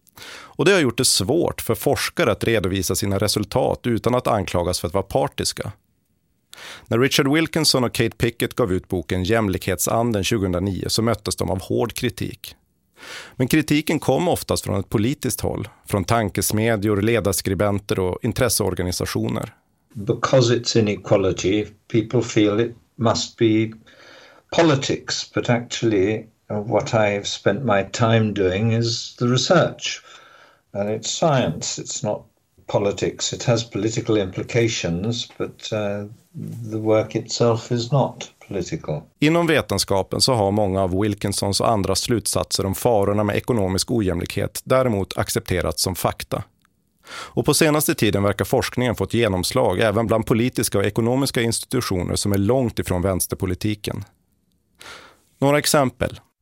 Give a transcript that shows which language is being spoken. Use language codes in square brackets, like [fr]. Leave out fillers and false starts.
[sv] Och det har gjort det svårt för forskare att redovisa sina resultat utan att anklagas för att vara partiska. När Richard Wilkinson och Kate Pickett gav ut boken Jämlikhetsanden 2009 så möttes de av hård kritik. Men kritiken kom oftast från ett politiskt håll, från tankesmedjor, ledarskribenter och intresseorganisationer. [en] Because it's inequality, people feel it must be politics, but actually what I've spent my time doing is the research. And it's science, it's not politics. It has political implications, but the work itself is not political. [sv] Inom vetenskapen så har många av Wilkinsons och andra slutsatser om farorna med ekonomisk ojämlikhet däremot accepterats som fakta. Och på senaste tiden verkar forskningen fått genomslag även bland politiska och ekonomiska institutioner som är långt ifrån vänsterpolitiken. Några exempel.